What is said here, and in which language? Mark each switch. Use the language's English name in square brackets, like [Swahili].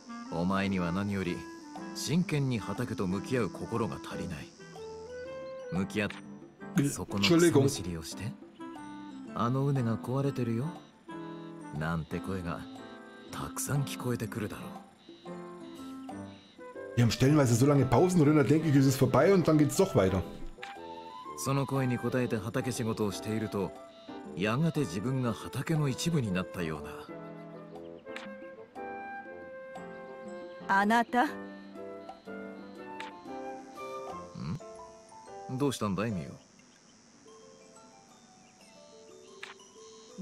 [Japanese] お前には何より真剣に畑と向き合う心が足りない。向き合ってそこの草むしりをして。あの畝が壊れてるよなんて声がたくさん聞こえてくるだろう。 [German] Wir haben stellenweise so lange Pausen drin, da denke ich, es ist vorbei und dann geht's doch weiter. [Japanese] その声に応えて畑仕事をしていると、やがて自分が畑の一部になったような。あなた。ん？どうしたんだいミオ。